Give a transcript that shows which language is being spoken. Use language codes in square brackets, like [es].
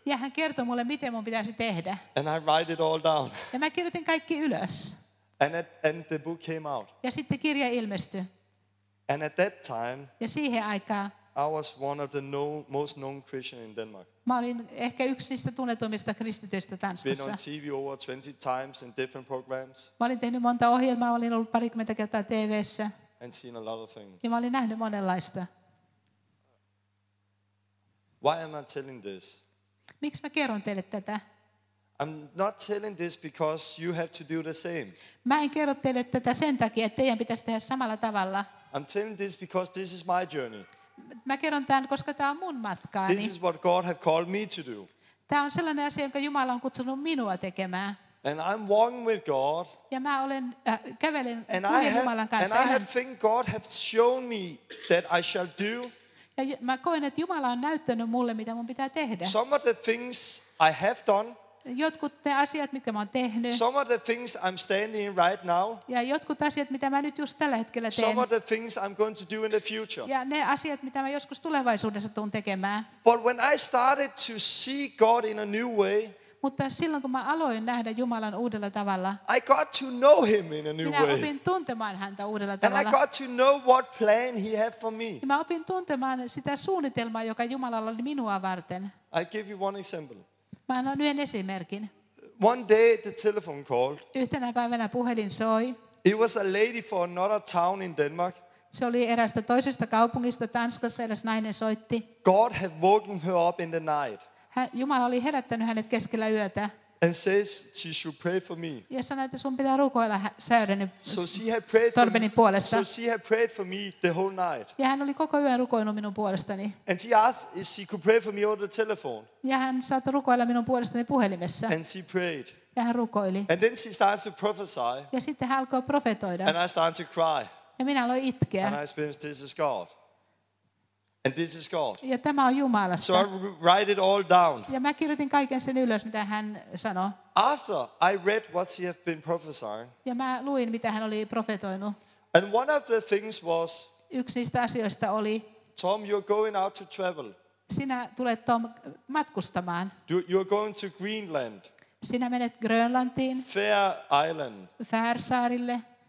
[fi] Ja hän kertoi mulle, miten mun pitäisi tehdä. [en] And I write it all down. [fi] Ja mä kirjoitin kaikki ylös. [en] And the book came out. [fi] Ja sitten kirja ilmestyi. [en] And at that time. [fi] Ja siihen aikaan. [en] I was one of the most known Christian in Denmark. [fi] Mä olin ehkä yksi niistä tunnetuimmista kristityistä Tanskassa. [en] Been on TV over 20 times in different programs. [fi] Mä olin tehnyt monta ohjelmaa, olin ollut parikymmentä kertaa TV:ssä. [en] And seen a lot of things. [fi] Ja mä olin nähnyt monenlaista. [en] Why am I telling this? [fi] Miksi mä kerron teille tätä? [en] I'm not telling this because you have to do the same. [fi] Mä en kerro teille tätä sen takia, että teidän pitäisi tehdä samalla tavalla. [en] I'm telling this because this is my journey. [fi] Mä kerron tämän, koska tämä on mun matkaani. [en] This is what God has called me to do. [fi] Tämä on sellainen asia, jonka Jumala on kutsunut minua tekemään. [en] And I'm walking with God. [fi] Ja mä olen kävelen kuljen Jumalan kanssa. [en] And I have think God has shown me that I shall do. [fi] Ja mä koen, että Jumala on näyttänyt mulle, mitä mun pitää tehdä. [en] Some of the things I have done. [fi] Jotkut ne asiat, mitkä mä oon tehnyt. [en] Some of the things I'm standing in right now. [fi] Ja jotkut asiat, mitä mä nyt just tällä hetkellä teen. [en] Some of the things I'm going to do in the future. [fi] Ja ne asiat, mitä mä joskus tulevaisuudessa tuun tekemään. [en] But when I started to see God in a new way. [fi] Mutta silloin, kun mä aloin nähdä Jumalan uudella tavalla. [en] I got to know him in a new way. [fi] Minä opin tuntemaan häntä uudella tavalla. [en] And I got to know what plan he had for me. [fi] Ja mä opin tuntemaan sitä suunnitelmaa, joka Jumalalla oli minua varten. [en] I give you one example. [fi] Mä annan yhden esimerkin. [en] One day the telephone called. [fi] Yhtenä päivänä puhelin soi. [en] It was a lady from another town in Denmark. [fi] Se oli erästä toisesta kaupungista Tanskassa, eräs nainen soitti. [en] God had woken her up in the night. [fi] Jumala oli herättänyt hänet keskellä yötä. [en] And says she should pray for me. [fi] Ja sanoi, että sun pitää rukoilla Sörenin [en] so she had prayed [fi] Torbenin puolesta. [en] So she had prayed for me the whole night. [fi] Ja hän oli koko yön rukoillut minun puolestani. [en] And she asked if she could pray for me over the telephone. [fi] Ja hän saattoi rukoilla minun puolestani puhelimessa. [en] And she prayed. [fi] Ja hän rukoili. [en] And then she started to prophesy. [fi] Ja sitten hän alkoi profetoida. [en] And I started to cry. [fi] Ja minä aloin itkeä. [en] And I experienced this is God. And this is God. [fi] Ja tämä on Jumalasta. [en] So I write it all down. [fi] Ja mä kirjoitin kaiken sen ylös, mitä hän sanoi. [en] After I read what he had been prophesying. [fi] Ja mä luin, mitä hän oli profetoinut. [en] And one of the things was. [fi] Yksi niistä asioista oli. [en] Tom, you're going out to travel. [fi] Sinä tulet Tom matkustamaan. [en] You're going to Greenland. [fi] Sinä menet Grönlantiin. [en] Fair Island. [fi] Färsaarille.